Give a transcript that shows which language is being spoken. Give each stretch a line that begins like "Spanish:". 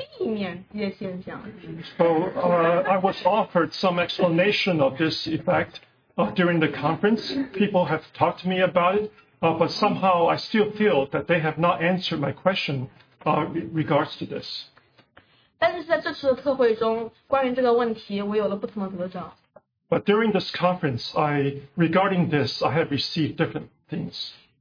English: I was offered some explanation of this effect during the conference. People have talked to me about it, but somehow I still feel that they have not answered my question regards to this.
Chinese: 但是在这次的特会中，关于这个问题，我有了不同的得着。
English: But during this conference, regarding this, I have received different things.